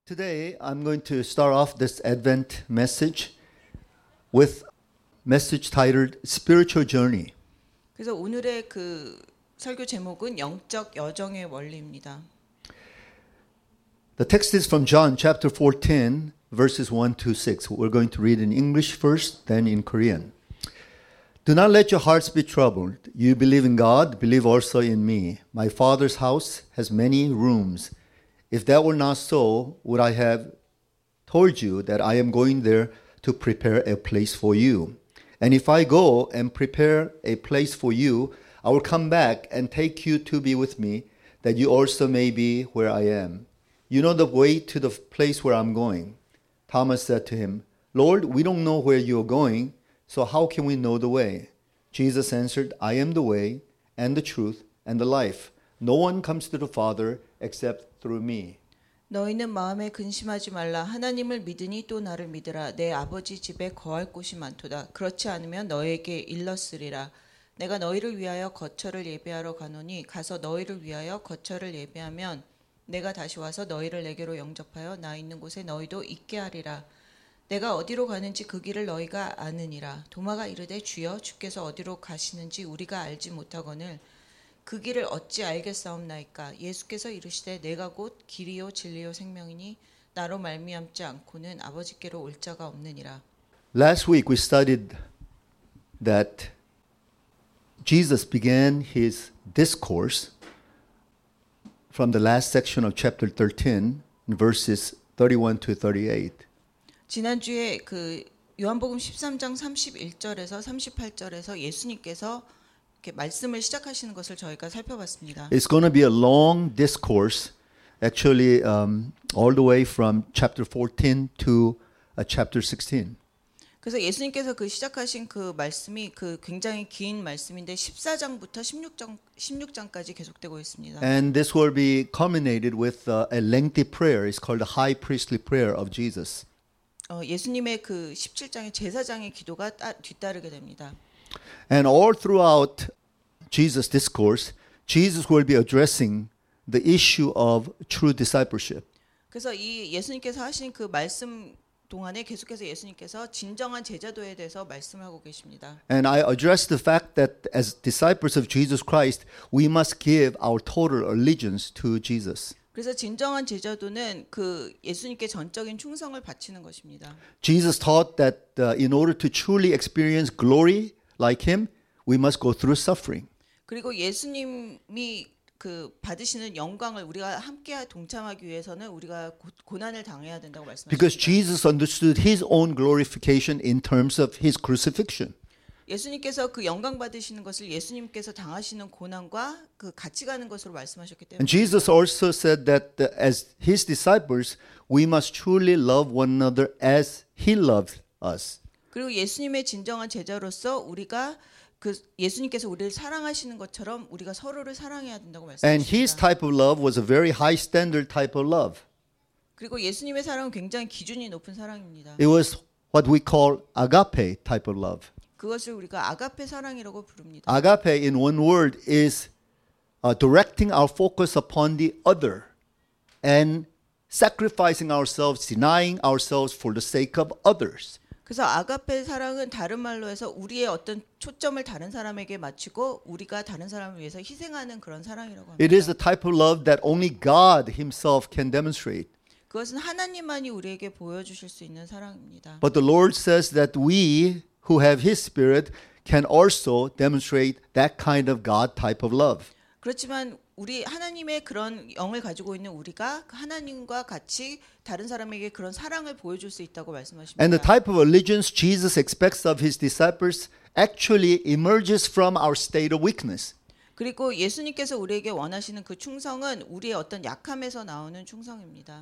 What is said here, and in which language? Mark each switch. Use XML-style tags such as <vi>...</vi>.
<en>Today, I'm going to start off this Advent message with a message titled Spiritual Journey.</en> <ko>그래서 오늘의 그 설교 제목은 영적 여정의 원리입니다.</ko> <en>The text is from John chapter 14, verses 1 to 6. We're going to read in English first, then in Korean. Do not let your hearts be troubled. You believe in God, believe also in me. My Father's house has many rooms. If that were not so, would I have told you that I am going there to prepare a place for you? And if I go and prepare a place for you, I will come back and take you to be with me, that you also may be where I am. You know the way to the place where I'm going. Thomas said to him, Lord, we don't know where you're going, so how can we know the way? Jesus answered, I am the way and the truth and the life. No one comes to the Father except through me.</en> <ko>너희는 마음에 근심하지 말라. 하나님을 믿으니 또 나를 믿으라. 내 아버지 집에 거할 곳이 많도다. 그렇지 않으면 너에게 일렀으리라. 내가 너희를 위하여 거처를 예비하러 가노니 가서 너희를 위하여 거처를 예비하면 내가 다시 와서 너희를 내게로 영접하여 나 있는 곳에 너희도 있게 하리라. 내가 어디로 가는지 그 길을 너희가 아느니라. 도마가 이르되 주여 주께서 어디로 가시는지 우리가 알지 못하거늘 그 길을 어찌 알겠사옵나이까? 예수께서 이르시되 내가 곧 길이요 진리요 생명이니 나로 말미암지 않고는 아버지께로 올 자가 없느니라.</ko> <en>Last week we studied that Jesus began his discourse from the last section of chapter 13, verses 31 to 38.</en> <ko>지난주에 그 요한복음 13장 31절에서 38절에서 예수님께서 말씀을 시작하시는 것을 저희가 살펴봤습니다.</ko> <en>It's going to be a long discourse, actually, all the way from chapter 14 to chapter 16.</en> <ko>그래서 예수님께서 그 시작하신 그 말씀이 그 굉장히 긴 말씀인데 14장부터 16장까지 계속되고 있습니다.</ko> <en>And this will be culminated with a lengthy prayer. It's called the high priestly prayer of Jesus.</en> <ko>예수님의 그 17장의 제사장의 기도가 뒤따르게 됩니다.</ko> <en>And all throughout Jesus' discourse, Jesus will be addressing the issue of true discipleship.</en> <ko>그래서 이 예수님께서 하신 그 말씀 동안에 계속해서 예수님께서 진정한 제자도에 대해서 말씀하고 계십니다.</ko> <en>And I address the fact that as disciples of Jesus Christ, we must give our total allegiance to Jesus.</en> <ko>그래서 진정한 제자도는 그 예수님께 전적인 충성을 바치는 것입니다.</ko> <en>Jesus taught that in order to truly experience glory like him, we must go through suffering.</en> <ko>그리고 예수님이 그 받으시는 영광을 우리가 함께 동참하기 위해서는 우리가 고난을 당해야 된다고 말씀하십니다.</ko> <en>Because Jesus understood his own glorification in terms of his crucifixion.</en> <ko>예수님께서 그 영광 받으시는 것을 예수님께서 당하시는 고난과 그 같이 가는 것으로 말씀하셨기 때문에.</ko> <en>And Jesus also said that as his disciples, we must truly love one another as he loved us.</en> <ko>그리고 예수님의 진정한 제자로서 우리가 그 예수님께서 우리를 사랑하시는 것처럼 우리가 서로를 사랑해야 된다고 말씀하십니다.</ko> <en>And his type of love was a very high standard type of love.</en> <ko>그리고 예수님의 사랑은 굉장히 기준이 높은 사랑입니다.</ko> <en>It was what we call agape type of love.</en> <ko>그것을 우리가 아가페 사랑이라고 부릅니다.</ko> <en>Agape in one word is directing our focus upon the other and sacrificing ourselves, denying ourselves for the sake of others.</en> <ko>그래서 아가페 사랑은 다른 말로 해서 우리의 어떤 초점을 다른 사람에게 맞추고 우리가 다른 사람을 위해서 희생하는 그런 사랑이라고 합니다.</ko> <en>It is the type of love that only God himself can demonstrate.</en> <ko>그것은 하나님만이 우리에게 보여주실 수 있는 사랑입니다.</ko> <en>But the Lord says that we who have his spirit can also demonstrate that kind of God type of love.</en> <ko>그렇지만 우리 하나님의 그런 영을 가지고 있는 우리가 하나님과 같이 다른 사람에게 그런 사랑을 보여줄 수 있다고 말씀하십니다.</ko> <en>And the type of allegiance Jesus expects of his disciples actually emerges from our state of weakness.</en> <ko>그리고 예수님께서 우리에게 원하시는 그 충성은 우리의 어떤 약함에서 나오는 충성입니다.</ko>